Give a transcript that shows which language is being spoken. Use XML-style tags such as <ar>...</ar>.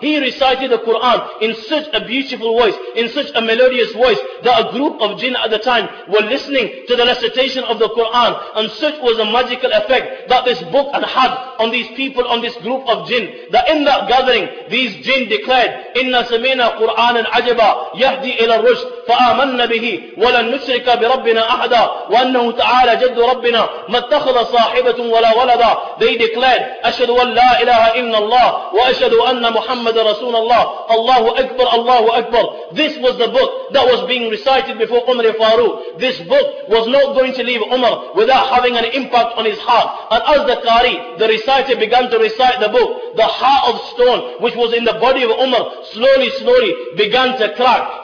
<en>He recited the Quran in such a beautiful voice, in such a melodious voice that a group of jinn at the time were listening to the recitation of the Quran, and such was a magical effect that this book had on these people, on this group of jinn, that in that gathering these jinn declared,</en> <ar>إِنَّ سَمِيْنَا قُرْآنًا عَجَبًا يَهْدِي إِلَى الرُّشْدِ فَآمَنَّ بِهِ وَلَنْ نُشْرِكَ بِرَبِّنَا أَحْدًا وَأَنَّهُ تَعَالَى جَدُّ رَبِّنَا مَتَّخَذَ صَاحِبَةٌ وَلَا وَلَدًا.</ar> <en>They declared,</en> <ar>أَشْهَدُ أَنْ لَا إِلَهَ إِلَّا اللَّهُ وَأَشْهَدُ أَنَّ مُحَمَّدًا رَسُولَ اللَّهِ. اللَّهُ أَكْبَر اللَّهُ أَكْبَر.</ar> <en>This was the book that was being recited before Umar Farooq. This book was not going to leave Umar without having an impact on his heart. And as the Qari, the reciter, began to recite the book, the heart of stone which was in the body of Umar slowly began to crack.</en>